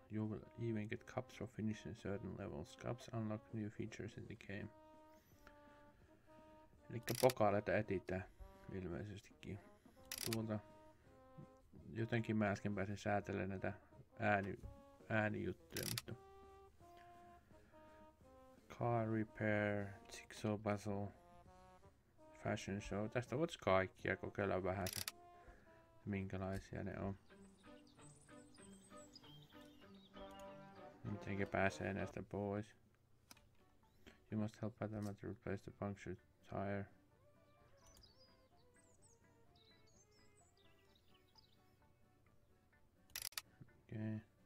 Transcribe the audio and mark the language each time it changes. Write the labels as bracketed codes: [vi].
[en] You will even get cups for finishing certain levels. Cups unlock new features in the game. [fi] Elikkä pokaaleita etitään ilmeisestikin. Tuolta jotenkin mä äsken pääsin säätelemään näitä äänijuttuja, mutta car repair, jigsaw puzzle, fashion show, tästä voisi kaikkia kokeilla vähän se, minkälaisia ne on. Mitenkä pääsee näistä pois? [en] You must help Batman to replace the punctured tire. Okay.